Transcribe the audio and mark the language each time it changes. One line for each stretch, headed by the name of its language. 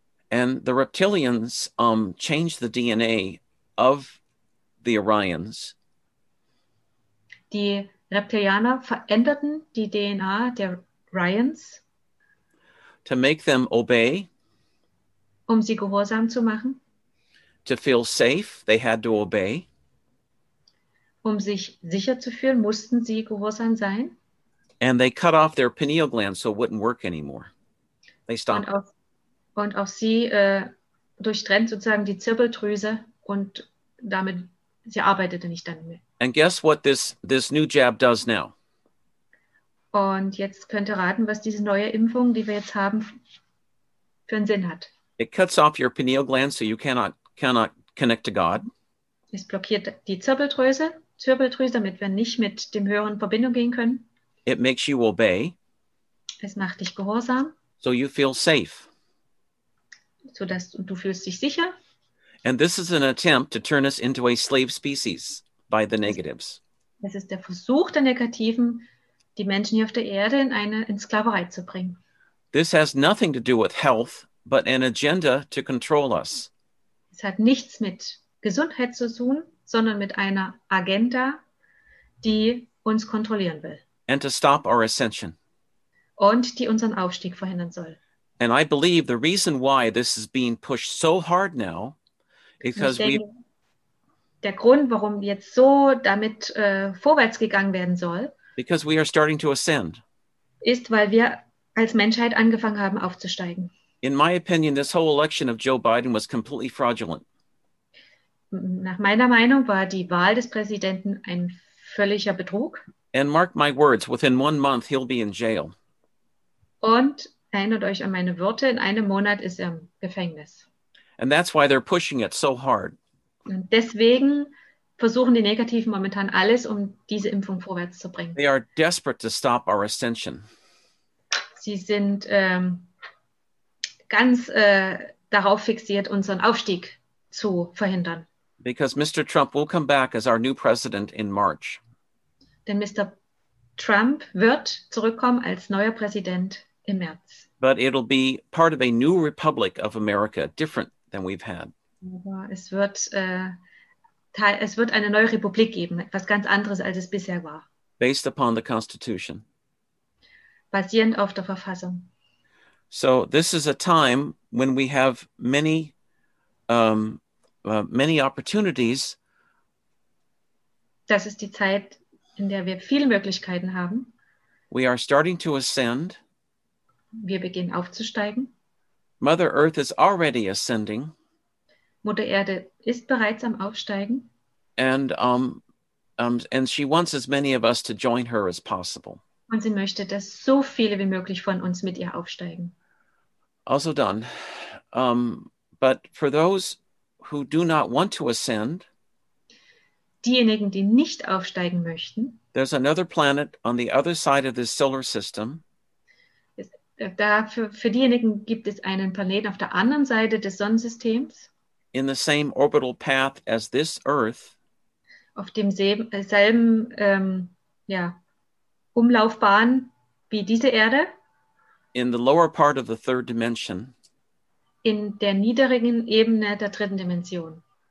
English: And the reptilians changed the DNA of the Orions.
German: Die Reptilianer veränderten die DNA der Orions.
English: To make them obey.
German: Um sie gehorsam zu machen.
English: To feel safe, they had to obey.
German: Um sich sicher zu fühlen, mussten sie gehorsam sein.
English: And they cut off their pineal gland so it wouldn't work anymore. They stopped.
German: Und auch sie durchtrennt sozusagen die Zirbeldrüse und damit, sie arbeitete nicht dann mehr.
English: And guess what this new jab does now?
German: Und jetzt könnt ihr raten, was diese neue Impfung, die wir jetzt haben, für einen Sinn hat.
English: It cuts off your pineal gland so you cannot connect to God.
German: Es blockiert die Zirbeldrüse, damit wir nicht mit dem Höheren in Verbindung gehen können.
English: It makes you obey.
German: Es macht dich gehorsam.
English: So you feel safe.
German: So dass du fühlst dich sicher.
English: And this is an attempt to turn us into a slave species by the negatives.
German: Es ist der Versuch der Negativen, die Menschen hier auf der Erde in eine Sklaverei zu bringen.
English: This has nothing to do with health, but an agenda to control us.
German: Es hat nichts mit Gesundheit zu tun, sondern mit einer Agenda, die uns kontrollieren will.
English: And to stop our ascension.
German: Und die unseren Aufstieg verhindern soll.
English: And I believe the reason why this is being pushed so hard now, because we...
German: Der Grund, warum jetzt so damit vorwärts gegangen werden soll,
English: because we are starting to ascend.
German: Ist, weil wir als Menschheit angefangen haben, aufzusteigen.
English: In my opinion, this whole election of Joe Biden was completely fraudulent.
German: Nach meiner Meinung war die Wahl des Präsidenten ein völliger Betrug.
English: And mark my words, within 1 month he'll be in jail.
German: Und erinnert euch an meine Worte, in einem Monat ist er im Gefängnis.
English: And that's why they're pushing it so hard.
German: Und deswegen versuchen die Negativen momentan alles, um diese Impfung vorwärts zu bringen.
English: They are desperate to stop our ascension.
German: Sie sind ganz darauf fixiert, unseren Aufstieg zu verhindern.
English: Because Mr. Trump will come back as our new president in March.
German: Denn Mr. Trump wird zurückkommen als neuer Präsident im März.
English: But it'll be part of a new republic of America, different than we've had.
German: Aber es wird es wird eine neue Republik geben, etwas ganz anderes, als es bisher war.
English: Based upon the Constitution.
German: Basierend auf der Verfassung.
English: So this is a time when we have many many opportunities.
German: Das ist die Zeit, in der wir viele Möglichkeiten haben.
English: We are starting to ascend.
German: Wir beginnen aufzusteigen.
English: Mother Earth is already ascending.
German: Mutter Erde ist bereits am Aufsteigen.
English: And and she wants as many of us to join her as possible.
German: Und sie möchte, dass so viele wie möglich von uns mit ihr aufsteigen. Also done.
English: But for those who do not want to ascend,
German: diejenigen, die nicht aufsteigen möchten,
English: there's another planet on the other side of this solar system.
German: Für diejenigen gibt es einen Planeten auf der anderen Seite des Sonnensystems.
English: In the same orbital path as this Earth.
German: Auf demselben Umlaufbahn wie diese Erde.
English: In the lower part of the third dimension.
German: In der niedrigen Ebene der dritten Dimension.